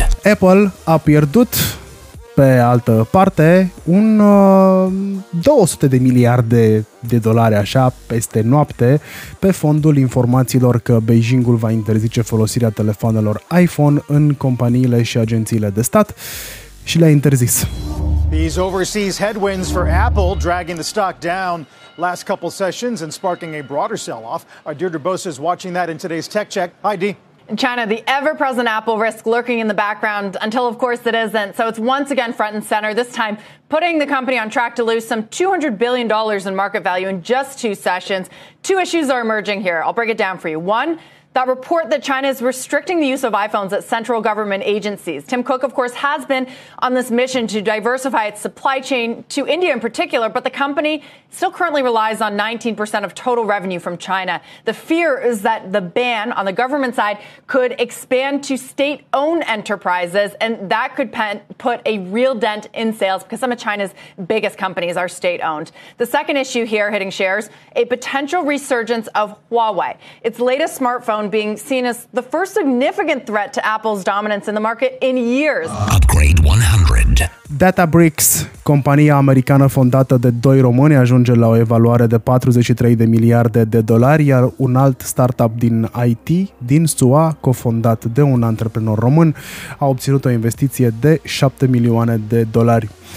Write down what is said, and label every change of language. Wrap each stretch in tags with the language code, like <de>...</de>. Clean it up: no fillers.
<ro>Apple a pierdut, pe altă parte, un 200 de miliarde de dolari așa peste noapte pe fondul informațiilor că Beijingul va interzice folosirea telefonelor iPhone în companiile și agențiile de stat și le-a interzis.</ro> <en>These overseas headwinds for Apple dragging the stock down last couple sessions and sparking a broader sell-off. Our Deirdre Bosa is watching that in today's Tech Check. Hi, Dee. China, the ever-present Apple risk lurking in the background until, of course, it isn't. So it's once again front and center, this time putting the company on track to lose some $200 billion in market value in just two sessions. Two issues are emerging here. I'll break it down for you. One, that report that China is restricting the use of iPhones at central government agencies. Tim Cook, of course, has been on this mission to diversify its supply chain to India in particular, but the company still currently relies on 19% of total revenue from China. The fear is that the ban on the government side could expand to state-owned enterprises, and that could put a real dent in sales because some of China's biggest companies are state-owned. The second issue here hitting shares, a potential resurgence of Huawei. Its latest smartphone being seen as the first significant threat to Apple's dominance in the market in years. Upgrade 100.</en> <ro>Databricks, compania americană fondată de doi români, ajunge la o evaluare de 43 de miliarde de dolari, iar un alt startup din IT, din SUA, cofondat de un antreprenor român, a obținut o investiție de 7 milioane de dolari.</ro>